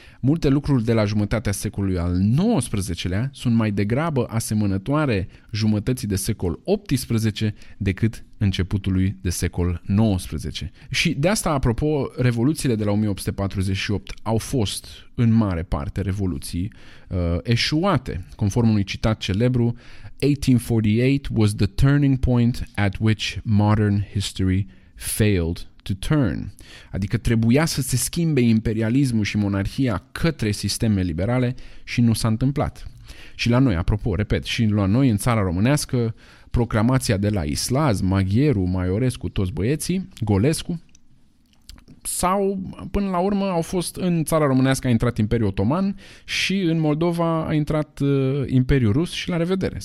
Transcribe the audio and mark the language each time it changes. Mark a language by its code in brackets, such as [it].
[ro] Multe lucruri de la jumătatea secolului al XIX-lea sunt mai degrabă asemănătoare jumătății de secol XVIII decât începutului de secol XIX. Și de asta, apropo, revoluțiile de la 1848 au fost, în mare parte, revoluții eșuate. Conform unui citat celebru, [en] 1848 was the turning point at which modern history failed to turn. [ro] Adică trebuia să se schimbe imperialismul și monarhia către sisteme liberale și nu s-a întâmplat. Și la noi, apropo, repet, și la noi în Țara Românească, proclamația de la Islaz, Maghieru, Maiorescu, toți băieții, Golescu, sau până la urmă au fost în Țara Românească a intrat Imperiul Otoman și în Moldova a intrat Imperiul Rus și la revedere.